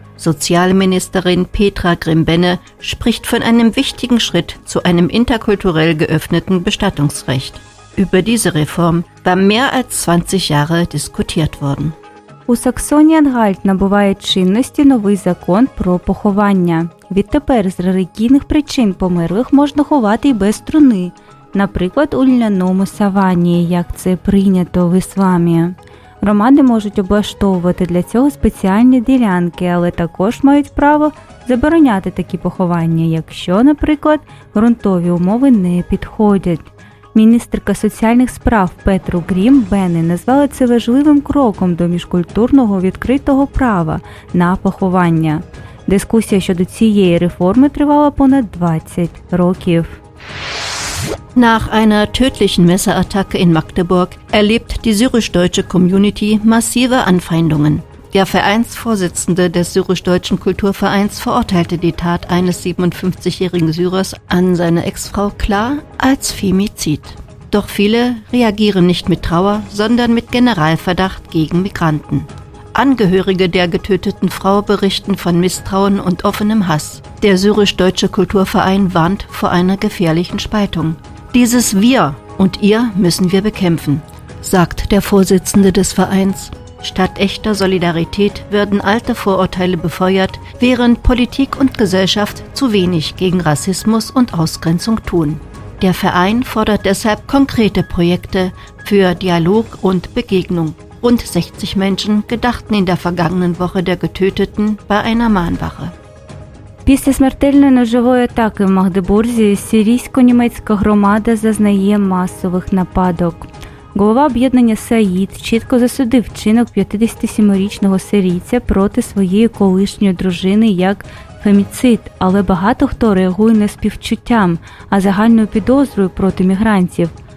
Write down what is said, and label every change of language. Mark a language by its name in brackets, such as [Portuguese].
[German] Sozialministerin Petra Grimm-Benne spricht von einem wichtigen Schritt zu einem interkulturell geöffneten Bestattungsrecht. Über diese Reform war mehr als 20 Jahre diskutiert worden. [Ukrainian] У Саксонії-Анхальт набуває чинності новий закон про поховання. Відтепер з релігійних причин померлих можна ховати і без труни, наприклад, у льняному савані, як це прийнято в ісламі. Громади можуть облаштовувати для цього спеціальні ділянки, але також мають право забороняти такі поховання, якщо, наприклад, ґрунтові умови не підходять. Міністерка соціальних справ Петру Грімм-Бенне назвала це важливим кроком до міжкультурного відкритого права на поховання. Дискусія щодо цієї реформи тривала понад 20 років. [German] Nach einer tödlichen Messerattacke in Magdeburg erlebt die syrisch-deutsche Community massive Anfeindungen. Der Vereinsvorsitzende des syrisch-deutschen Kulturvereins verurteilte die Tat eines 57-jährigen Syrers an seine Ex-Frau klar als Femizid. Doch viele reagieren nicht mit Trauer, sondern mit Generalverdacht gegen Migranten. Angehörige der getöteten Frau berichten von Misstrauen und offenem Hass. Der syrisch-deutsche Kulturverein warnt vor einer gefährlichen Spaltung. Dieses Wir und Ihr müssen wir bekämpfen, sagt der Vorsitzende des Vereins. Statt echter Solidarität werden alte Vorurteile befeuert, während Politik und Gesellschaft zu wenig gegen Rassismus und Ausgrenzung tun. Der Verein fordert deshalb konkrete Projekte für Dialog und Begegnung. Rund 60 Menschen gedachten in der vergangenen Woche der Getöteten bei einer Mahnwache. [Ukrainian] Після смертельної ножової атаки в Магдебурзі сирійсько-німецька громада зазнає масових нападок. Голова об'єднання Саїд чітко засудив вчинок 57-річного сирійця проти своєї колишньої дружини як фемінцид, але багато хто реагує не співчуттям, а загальною підозрою проти мігрантів.